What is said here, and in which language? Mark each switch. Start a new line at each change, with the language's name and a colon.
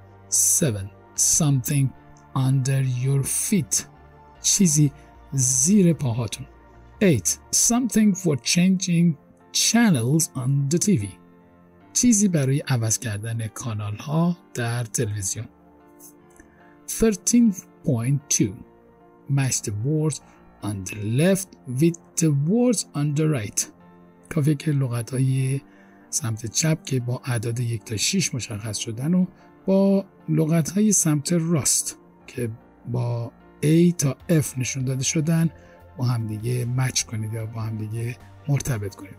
English: 7، something under your feet،
Persian: چیزی زیر پاهاتون. 8،
English: something for changing channels on the TV،
Persian: چیزی برای عوض کردن کانال ها در تلویزیون.
English: 13.2. Match the words on the left with the words on the right.
Persian: کافیه که لغت‌های سمت چپ که با اعداد 1 تا 6 مشخص شدن و با لغت‌های سمت راست که با A تا F نشون داده شدن با هم دیگه مچ کنید یا با هم دیگه مرتبط کنید.